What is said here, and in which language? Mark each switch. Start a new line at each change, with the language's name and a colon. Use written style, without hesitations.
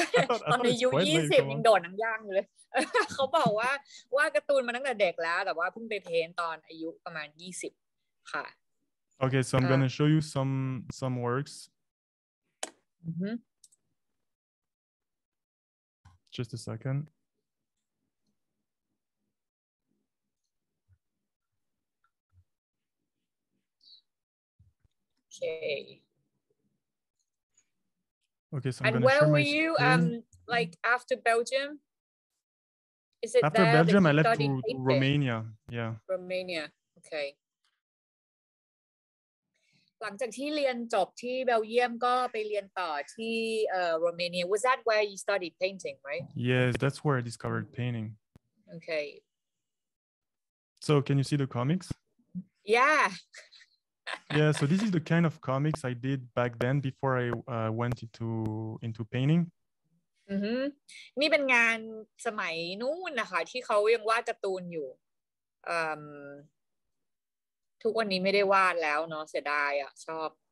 Thai: ตอนอายุ20ยังโดนหนังย่างเลยเขาบอกว่าวาดการ์ตูนมาตั้งแต่เด็กแล้วแต่ว่าเพิ่งไปเพ้นตอนอายุประมาณ20ค่ะ
English: Okay, so I'm gonna show you some works. Just a second. Okay. Okay, so and where were you, like after Belgium? Is it after there Belgium? That I left to Romania. Yeah. Romania. Okay.
Thai: หลังจากที่เรียนจบที่เบลเยียมก็ไปเรียนต่อที่โรมาเนีย
English: Was that where you studied painting, right? Yes, that's where I discovered painting. Okay. So can you see the comics? Yeah. Yeah, so this is the kind of comics I did back then before I went into painting. Mm-hmm.
Thai: นี่เป็นงานสมัยนู้นนะคะที่เขายังวาดการ์ตูนอยู่ทุกวันนี้ไม่ได้วาดแล้วเนาะเสียดายอ่ะชอบ